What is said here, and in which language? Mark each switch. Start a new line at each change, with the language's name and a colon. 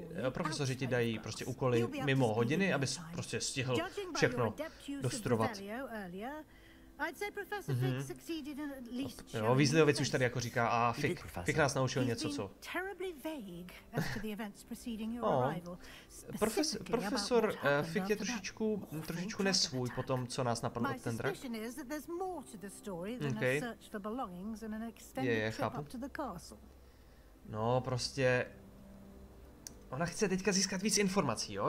Czech: Profesoři ti dají prostě úkoly mimo hodiny, abys prostě stihl všechno dostudovat.
English: I'd say Professor Fig succeeded in at least.
Czech: Jo, Weasleyovi už tady jako říká a Fig, Fig nás naučil něco, co.
English: Terribly vague as to the events preceding your arrival.
Czech: Profesor Fig je trošičku nesvůj po tom, co nás napadlo ten drak.
English: My suspicion is that there's more to the story than a search for belongings and an extended trip up to the castle.
Czech: No, prostě ona chce teďka získat víc informací, jo?